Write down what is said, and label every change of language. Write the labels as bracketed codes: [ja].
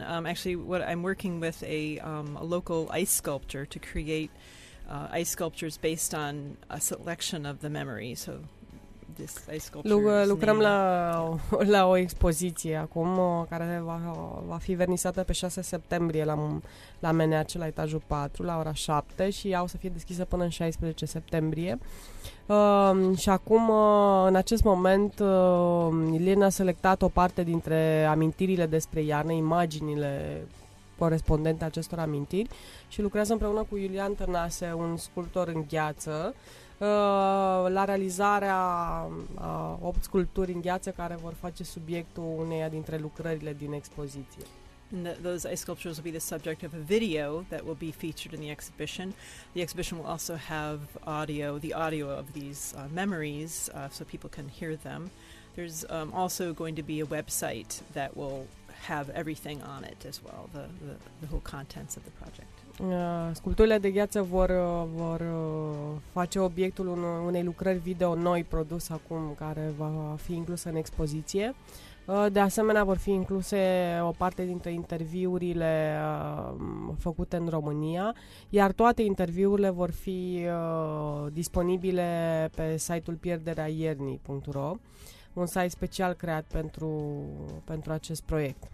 [en] Actually, what I'm working with a local ice sculptor to create ice sculptures based on a selection of the memory. So this ice sculpture. [ro] Lucrăm la o expoziție acum care va fi vernisată pe 6 septembrie la MNAC, la etajul 4, la ora 7 și ea o să fie deschisă până în 16 septembrie. Și acum, în acest moment, Ilena a selectat o parte dintre amintirile despre iarnă, imaginile corespondente acestor amintiri și lucrează împreună cu Iulian Tănase, un sculptor în gheață, la realizarea a 8 sculpturi în gheață care vor face subiectul uneia dintre lucrările din expoziție. [en] And those ice sculptures will be the subject of a video that will be featured in the exhibition. The exhibition will also have the audio of these memories, so people can hear them. There's also going to be a website that will have everything on it as well, the whole contents of the project. [ro] Sculpturile de gheață vor face obiectul unei lucrări video noi produs acum, care va fi inclusă în expoziție. De asemenea, vor fi incluse o parte dintre interviurile făcute în România, iar toate interviurile vor fi disponibile pe site-ul pierderea-iernii.ro, un site special creat pentru acest proiect.